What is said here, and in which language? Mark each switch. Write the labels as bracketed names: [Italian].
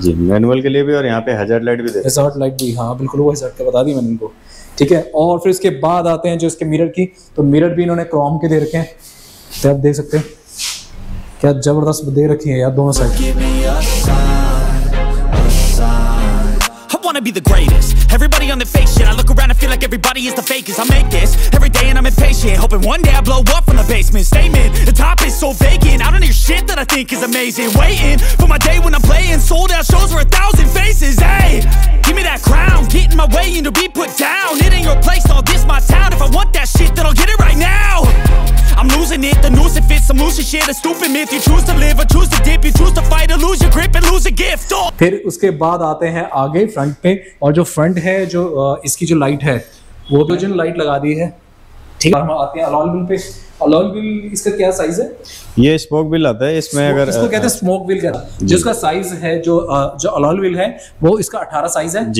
[Hindi] जी manual के लिए भी, और यहाँ पे हैजार्ड लाइट भी, हैजार्ड लाइट भी, हाँ बिल्कुल वो हैजार्ड का बता दी मैंने इनको, ठीक है। और फिर इसके बाद आते हैं जो इसके मिरर की, तो मिरर भी इन्होंने क्रोम के दे रखे हैं, तो आप देख सकते हैं क्या जबरदस्त दे रखी है यार दोनों side. [English] Be the greatest. Everybody on the fake shit. I look around and feel like everybody is the fakest. I make this every day and I'm impatient, hoping one day I blow up from the basement. Statement: the top is so vacant. I don't hear shit that I think is amazing. Waiting for my day when I'm playing sold out shows for 1,000 faces. Hey, give me that crown. Get in my way and you'll be put down. It ain't your place, all this my town. If I want that shit, then I'll get it right now. I'm losing it. The noose it fits some loose shit. A stupid myth. You choose to live or choose to dip. You choose to fight or lose your grip and lose a gift. Oh. [Hindi] फिर उसके बाद आते हैं आगे front. और जो front है, जो इसकी जो लाइट है वो भी जो लाइट लगा दी है, ठीक है। हम आते हैं अलॉय व्हील पे, अलॉय व्हील इसका क्या साइज है? ये स्पोक व्हील आता है इसमें, अगर इसको कहते हैं स्मोक व्हील कहते हैं, जिसका साइज है जो जो अलॉय व्हील है वो इसका 18 साइज है